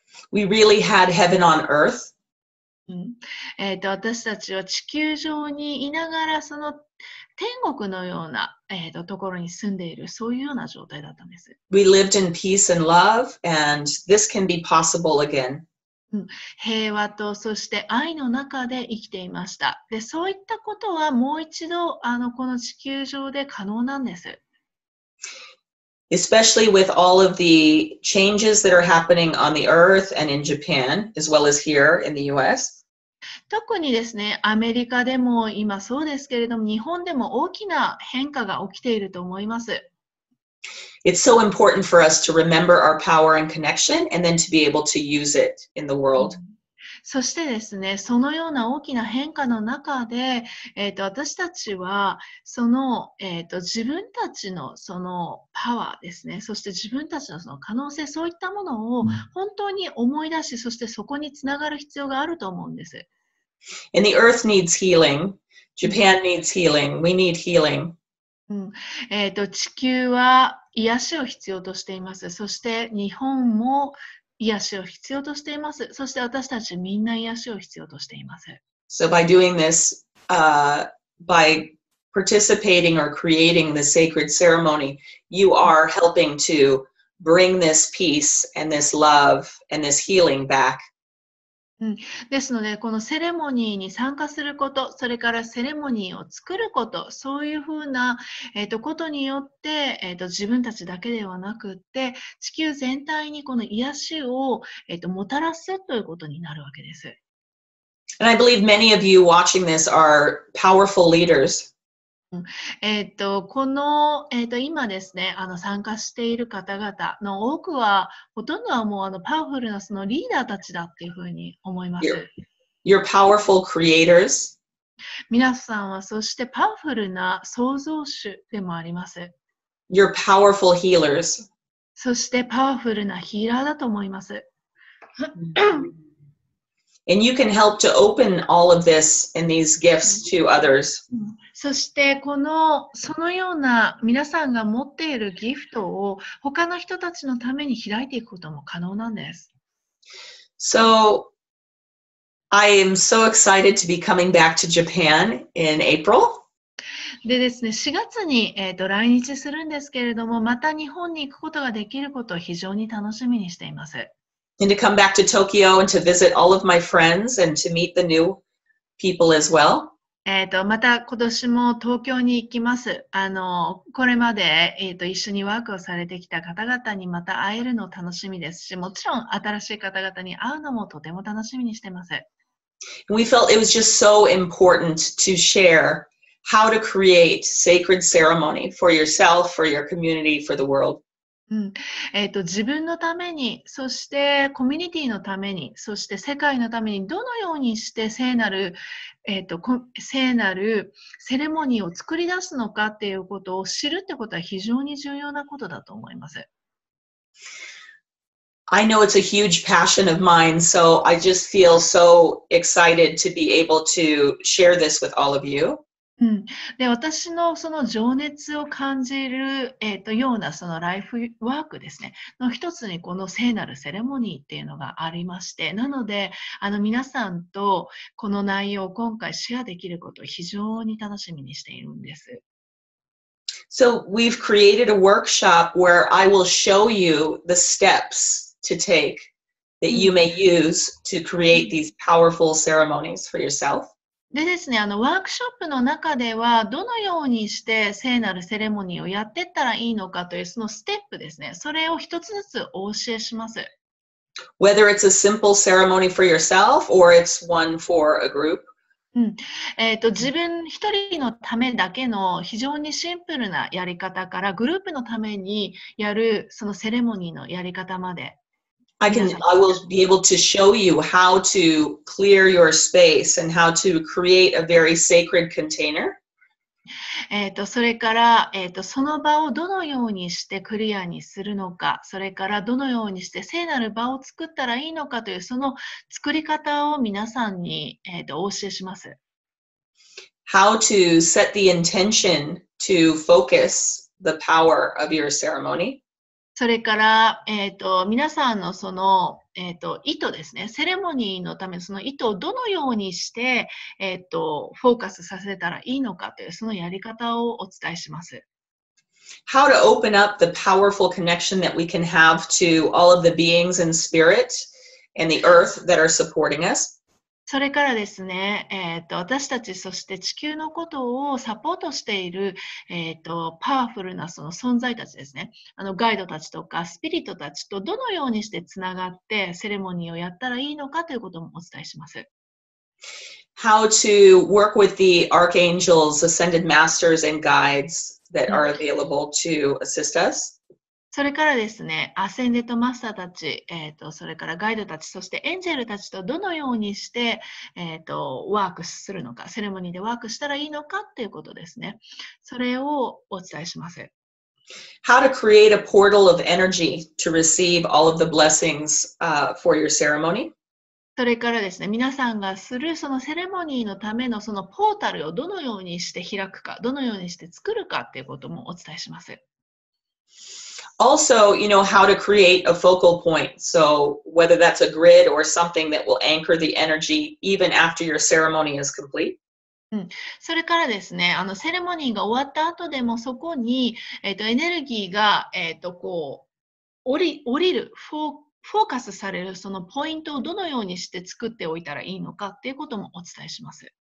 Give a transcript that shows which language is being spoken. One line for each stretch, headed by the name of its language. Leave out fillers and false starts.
English: We really had heaven on earth.
Japanese: 私たちは地球上にいながらその天国のような、ところに住んでいるそういうような状態だったんです。
English: We lived in peace and love, and this can be possible again.
Japanese: 平和とそして愛の中で生きていました。で、そういったことはもう一度この地球上で可能なんです。
English: Especially with all of the changes that are happening on the earth and in Japan, as well as here in the US.
Japanese: 特にですね、アメリカでも今そうですけれども、日本でも大きな変化が起きていると思います。
English: It's so important for us to remember our power and connection and then to be able to use it in the world.
Japanese: そしてですね、そのような大きな変化の中で、私たちはその、自分たちのそのパワーですね、そして自分たちのその可能性、そういったものを本当に思い出し、そしてそこにつながる必要があると思うんです。
English: And the earth needs healing. Japan needs healing. We need healing.
Japanese: 地球は癒しを必要としています。そして日本も癒しを必要としています。そして私たちみんな癒しを必要としています。
English: So by doing this, by participating or creating the sacred ceremony, you are helping to bring this peace and this love and this healing back.
Japanese: ですので、このセレモニーに参加すること、それからセレモニーを作ること、そういうふうな、ことによって、自分たちだけではなくって、地球全体にこの癒しを、もたらすということになるわけです。
English: And I believe many of you watching this are powerful leaders.
Japanese: この、今ですね、参加している方々の多くは、ほとんどはもうパワフルなそのリーダーたちだっていうふうに思います。
English: You're powerful creators.
Japanese: 皆さんはそしてパワフルな創造主でもあります。
English: You're powerful healers.
Japanese: そしてパワフルなヒーラーだと思います。
English: And you can help to open all of this and these gifts to others.
Japanese: そしてこのそのような皆さんが持っているギフトを他の人たちのために開いていくことも可能なんです。
English: So, I am so excited to be coming back to Japan in April.
Japanese: でですね、4月に、来日するんですけれども、また日本に行くことができることを非常に楽しみにしています。
English: And to come back to Tokyo and to visit all of my friends and to meet the new people as well.
Japanese: また今年も東京に行きます。これまで、一緒にワークをされてきた方々にまた会えるの楽しみですし、もちろん新しい方々に会うのもとても楽しみにしてます。
English: We felt it was just so important to share how to create sacred ceremony for yourself, for your community, for the world.
Japanese: 自分のために、そしてコミュニティのために、そして世界のために、どのようにして聖なる、聖なるセレモニーを作り出すのかっていうことを知るってことは非常に重要なことだと思います。
English: I know it's a huge passion of mine, so I just feel so excited to be able to share this with all of you.
Japanese: で私のその情熱を感じる、ようなそのライフワークですねの一つにこの聖なるセレモニーっていうのがありまして、なので皆さんとこの内容を今回シェアできることを非常に楽しみにしているんです。
English: So we've created a workshop where I will show you the steps to take that you may use to create these powerful ceremonies for yourself.
Japanese: でですね、ワークショップの中では、どのようにして聖なるセレモニーをやっていったらいいのかというそのステップですね。それを一つずつお教えします。
English: Whether it's a simple ceremony for yourself or it's one for a group.
Japanese: 自分一人のためだけの非常にシンプルなやり方から、グループのためにやるそのセレモニーのやり方まで。
English: I will be able to show you how to clear your space and how to create a very sacred container.
Japanese: それから、その場をどのようにしてクリアにするのか、それからどのようにして聖なる場を作ったらいいのかというその作り方を皆さんに、お教えします。
English: How to set the intention to focus the power of your ceremony.
Japanese: それから、皆さんのその、意図ですね、セレモニーのためのその意図をどのようにして、フォーカスさせたらいいのかというそのやり方をお伝えします。
English: How to open up the powerful connection that we can have to all of the beings and spirit and the earth that are supporting us?
Japanese: それからですね、私たちそして地球のことをサポートしている、パワフルなその存在たちですね、ガイドたちとかスピリットたちとどのようにしてつながってセレモニーをやったらいいのかということもお伝えします。
English: How to work with the archangels, ascended masters and guides that are available to assist us?
Japanese: それからですね、アセンデットマスターたち、それからガイドたち、そしてエンジェルたちとどのようにして、ワークするのか、セレモニーでワークしたらいいのかっていうことですね。それをお伝えします。
English: How to create a portal of energy to receive all of the blessings, for your ceremony?
Japanese: それからですね、皆さんがするそのセレモニーのためのそのポータルをどのようにして開くか、どのようにして作るかっていうこともお伝えします。
English: Also, you know, how to create a focal point. So, whether that's a grid or something that will anchor the energy even after your ceremony is complete.、
Japanese: それからですね、セレモニーが終わった後でもそこに、エネルギーが、こう、降りる、フォーカスされるそのポイントをどのようにして作っておいたらいいのかっていうこともお伝えします。